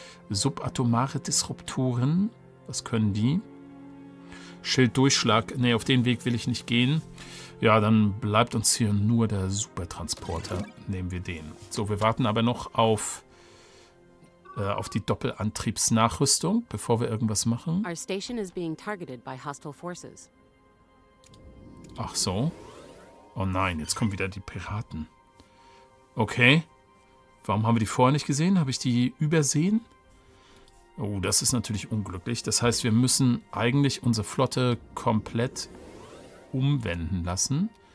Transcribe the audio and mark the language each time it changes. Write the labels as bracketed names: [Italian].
[German] Subatomare Disruptoren, was können die? Schilddurchschlag, nee, auf den Weg will ich nicht gehen. Ja, dann bleibt uns hier nur der Supertransporter. Nehmen wir den. So, wir warten aber noch auf die Doppelantriebsnachrüstung, bevor wir irgendwas machen. [English] Our station is being targeted by hostile forces. [German] Ach so. Oh nein, jetzt kommen wieder die Piraten. Okay. Warum haben wir die vorher nicht gesehen? Habe ich die übersehen? Oh, das ist natürlich unglücklich. Das heißt, wir müssen eigentlich unsere Flotte komplett umwenden lassen.